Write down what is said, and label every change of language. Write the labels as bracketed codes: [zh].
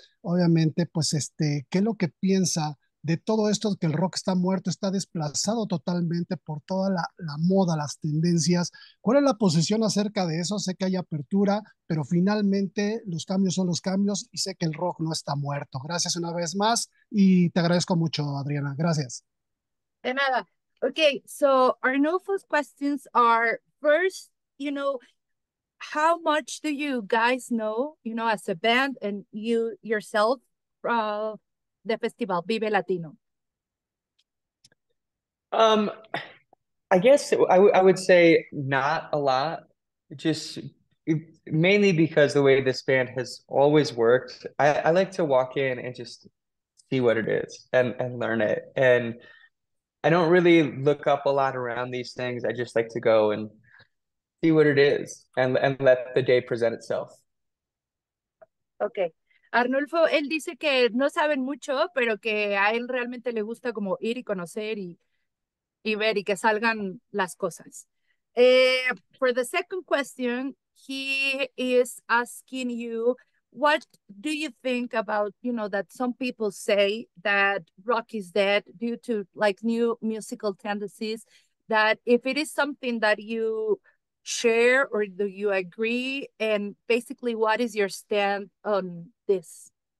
[es] Obviamente, pues ¿qué es lo que piensa de todo esto, que el rock está muerto, está desplazado totalmente por toda la moda, las tendencias? ¿Cuál es la posición acerca de eso? Sé que hay apertura, pero finalmente los cambios son los cambios y sé que el rock no está muerto. Gracias una vez más y te agradezco mucho, Adriana. Gracias. De nada. [en] Okay, so Arnulfo's questions are first, how much do you guys know, as a band and you yourself of the festival Vive Latino? I guess I would say not a lot, just mainly because the way this band has always worked, I like to walk in and just see what it is and learn it. And I don't really look up a lot around these things. I just like to go and see what it is and let the day present itself. Okay. [es] Arnulfo, él dice que no saben mucho, pero que a él realmente le gusta como ir y conocer y ver y que salgan las cosas. [en] For the second question, he is asking you, what do you think about, you know, that some people say that rock is dead due to like new musical tendencies, that if it is something that you share or do you agree, and basically what is your stand on this?